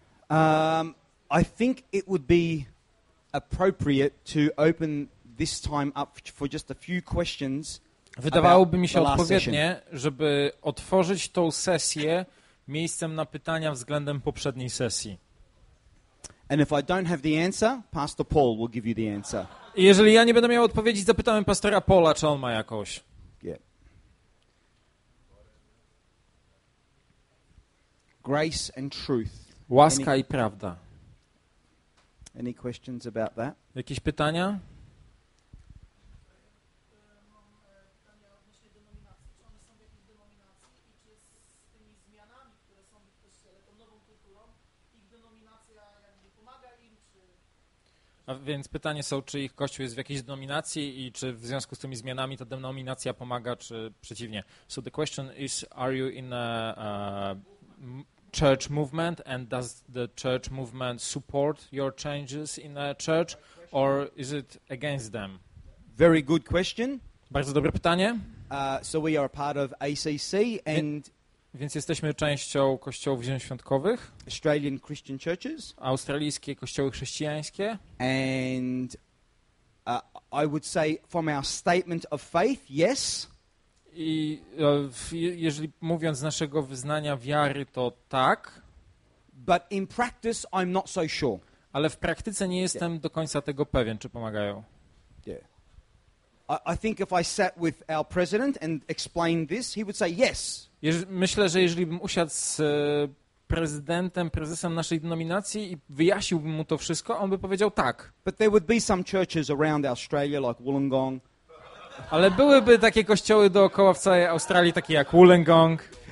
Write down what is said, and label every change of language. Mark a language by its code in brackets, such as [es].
[en] I think it would be appropriate to open this time up for just a few questions. [pl] Wydawałoby mi się odpowiednie, żeby otworzyć tą sesję miejscem na pytania względem poprzedniej sesji. [en] And if I don't have the answer, Pastor Paul will give you the answer. [pl] I jeżeli ja nie będę miał odpowiedzi, zapytałem pastora Paula, czy on ma jakąś. [en] Yeah. Grace and truth. [pl] Łaska i prawda. [en] Any questions about that? [pl] Jakieś pytania? A więc pytanie są, czy ich kościół jest w jakiejś denominacji i czy w związku z tymi zmianami ta denominacja pomaga, czy przeciwnie. [en] So the question is, are you in a church movement and does the church movement support your changes in a church or is it against them? Very good question. [pl] Bardzo dobre pytanie. [en] So we are part of ACC and... [pl] Więc jesteśmy częścią kościołów ziemświątkowych, [en] Australian Christian Churches, [pl] australijskie kościoły chrześcijańskie. [en] And I would say from our statement of faith, yes. [pl] I jeżeli mówiąc z naszego wyznania wiary, to tak. [en] But in practice I'm not so sure. [pl] Ale w praktyce nie jestem do końca tego pewien, czy pomagają. [en] Yeah. I think if I sat with our president and explained this, he would say yes. [pl] Myślę, że jeżeli bym usiadł z prezydentem, prezesem naszej denominacji i wyjaśniłbym mu to wszystko, on by powiedział tak. [en] But there would be some churches around Australia, like Wollongong. [pl] Ale byłyby takie kościoły dookoła w całej Australii, takie jak Wollongong.